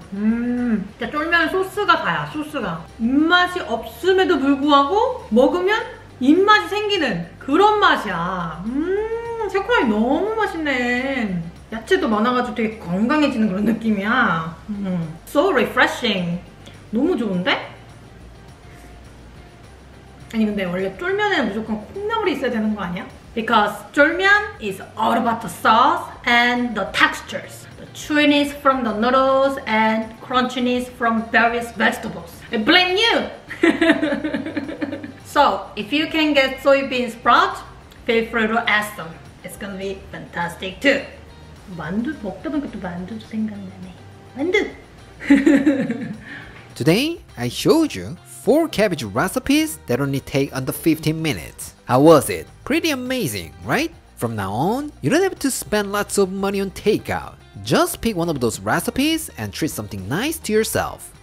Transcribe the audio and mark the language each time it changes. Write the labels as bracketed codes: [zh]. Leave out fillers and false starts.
[ko] 진짜 쫄면 소스가 다야, 소스가. 입맛이 없음에도 불구하고 먹으면 입맛이 생기는 그런 맛이야. 새콤하니 너무 맛있네. 야채도 많아가지고 되게 건강해지는 그런 느낌이야. [en] So refreshing. [ko] 너무 좋은데? 아니 근데 원래 쫄면에는 무조건 콩나물이 있어야 되는 거 아니야? [en] Because 쫄면 is all about the sauce and the textures. Chewiness from the noodles and crunchiness from various vegetables. I blame you! So, if you can get soybean sprout, feel free to ask them. It's gonna be fantastic too. [ko] 만두, 먹다 보니까 또 만두 생각나네. 만두! [en] Today, I showed you 4 cabbage recipes that only take under 15 minutes. How was it? Pretty amazing, right? From now on, you don't have to spend lots of money on takeout. Just pick one of those recipes and treat something nice to yourself.